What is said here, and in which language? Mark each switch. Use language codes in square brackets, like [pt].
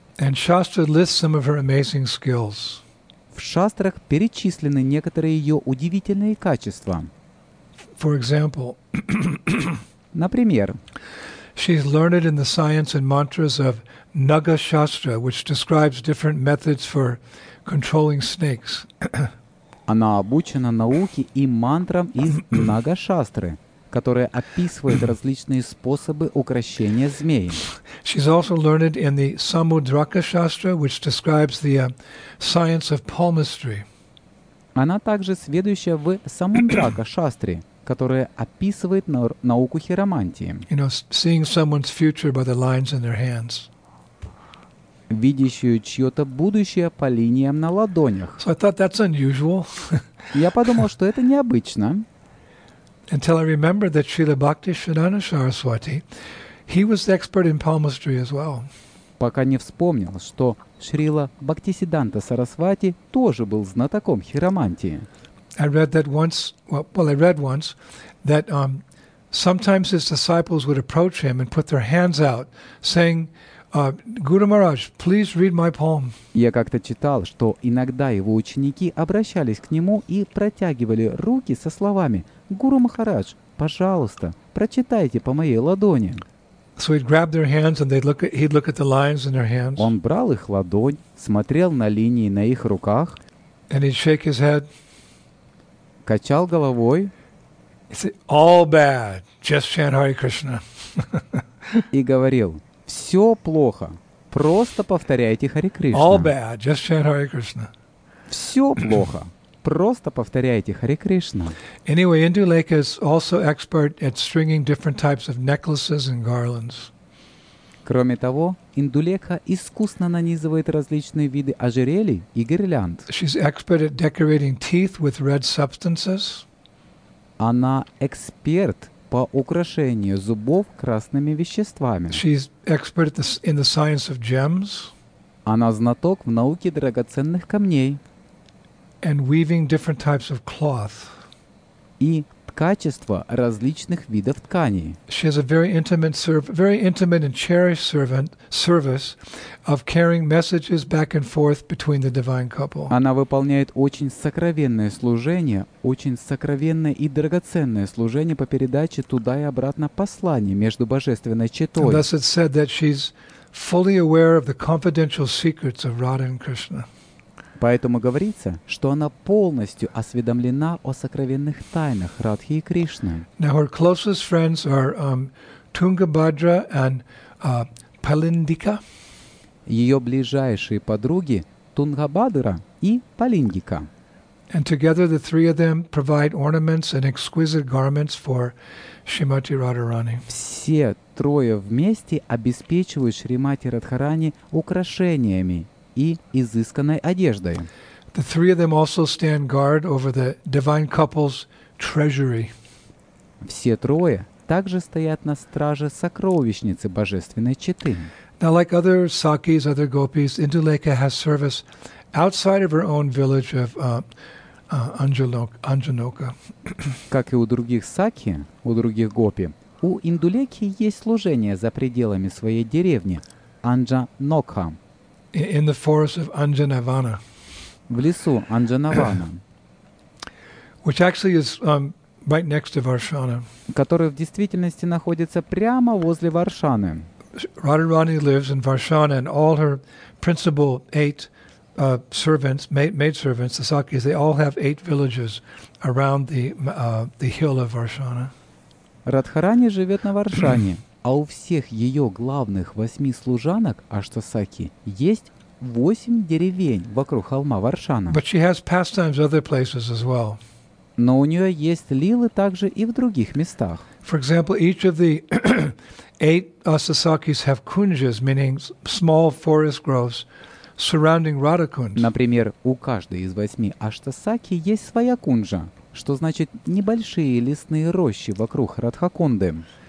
[en] And Shastra lists some of her amazing skills. [ru] В шастрах перечислены некоторые ее удивительные качества. [en] For example, [ru] например, [en] she's learned in the science and mantras of Naga Shastra, which describes different methods for controlling snakes. [ru] Она обучена науке и мантрам из Нага Шастры, которая описывает различные способы укрощения змей. [en] She's also learned in the Samudraka Shastra, which describes the science of palmistry. [ru] Она также сведуща в Самудрака Шастре, которая описывает науку хиромантии. [en] You know, seeing someone's future by the lines in their hands. [ru] Видящую чье-то будущее по линиям на ладонях. [en] So I thought that's unusual. [ru] Я подумал, что это необычно. [en] Until I remember that Srila Bhakti Siddhanta Saraswati, he was the expert in palmistry as well. [ru] Пока не вспомнил, что Шрила Бхактисиддханта Сарасвати тоже был знатоком хиромантии. [en] I read that once, sometimes his disciples would approach him and put their hands out, saying, Guru Maharaj, please read my poem. [ru] Я как-то читал, что иногда его ученики обращались к нему и протягивали руки со словами: «Гуру Махарадж, пожалуйста, прочитайте по моей ладони». [en] So he'd grab their hands and he'd look at the lines in their hands. [ru] Он брал их ладонь, смотрел на линии на их руках. [en] And he'd shake his head. [ru] Качал головой. [en] He said, "All bad. Just chant Hare Krishna." [ru] И говорил: «Все плохо. Просто повторяйте Хари Кришна». [en] All bad. Just chant Hare Krishna. [ru] Все плохо. Просто повторяйте Хари Кришна. [en] Anyway, Induleka is also expert at stringing different types of necklaces and garlands. [ru] Кроме того, Индулекха искусно нанизывает различные виды ожерелий и гирлянд. [en] She's expert at decorating teeth with red substances. [ru] Она эксперт по украшению зубов красными веществами. [en] She's expert in the science of gems. [ru] Она знаток в науке драгоценных камней. [en] And weaving different types of cloth. [ru] И ткачество различных видов тканей. [en] She has a very intimate and cherished service of carrying messages back and forth between the divine couple. [ru] Она выполняет очень сокровенное и драгоценное служение по передаче туда и обратно посланий между божественной четой. [en] And thus it's said that she's fully aware of the confidential secrets of Radha and Krishna. [ru] Поэтому говорится, что она полностью осведомлена о сокровенных тайнах Радхи и Кришны. [en] Now her closest friends are Tungabhadra and Palindika. [ru] Ее ближайшие подруги Тунгабхадра и Палиндика. [en] And together the three of them provide ornaments and exquisite garments for Shrimati Radharani. [ru] Все трое вместе обеспечивают Шримати Радхарани украшениями и изысканной одеждой. [en] The three of them also stand guard over the divine couple's treasury. [ru] Все трое также стоят на страже сокровищницы божественной четы. [en] Now, like other sakis, other gopis, Induleka has service outside of her own village of Anjanoka. [ru] Как и у других саки, у других гопи, у Индулеки есть служение за пределами своей деревни Анджанокха. [en] In the forest of Anjanavana. [ru] В лесу Анджанавана. [en] Which actually is right next to Varshana. [ru] Который в действительности находится прямо возле Варшаны. [en] Radharani lives in Varshana, and all her principal eight servants, maidservants, the sakis, they all have eight villages around the hill of Varshana. [ru] Радхарани живет на Варшане. А у всех ее главных восьми служанок Аштасаки есть восемь деревень вокруг холма Варшана. [en] But she has pastimes other places as well. [ru] Но у нее есть лилы также и в других местах. [en] For example, each of the eight Asasakis have kunjas, meaning small forest groves surrounding Radha kunj. [ru] Например, у каждой из восьми Аштасаки есть своя кунжа, что значит небольшие лесные рощи вокруг Радхакунды.